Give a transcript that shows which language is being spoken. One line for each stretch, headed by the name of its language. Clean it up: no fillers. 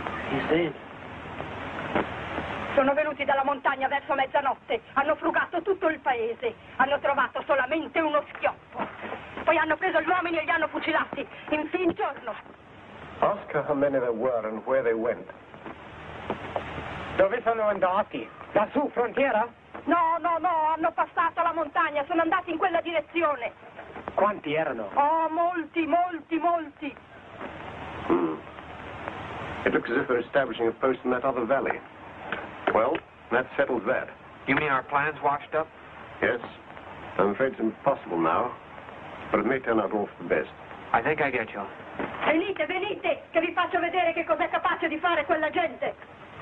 Italian: Giuseppe. Sono venuti dalla montagna verso mezzanotte. Hanno frugato tutto il paese. Hanno trovato solamente uno schioppo. Poi hanno preso gli uomini e li hanno fucilati. In fin giorno.
English: Ask her how many there were and where they went.
Italian: Dove sono andati? Lassù, frontiera? No, no, no, hanno passato la montagna. Sono andati in quella direzione. Quanti erano? Oh, molti, molti, molti.
English: It looks as if they're establishing a post in that other valley. Well, that settles that. You mean our plans washed up? Yes. I'm afraid it's impossible now. But it may turn out all for the best. I think I get you.
Italian: Venite, venite! Che vi faccio vedere che cos'è capace di fare quella gente!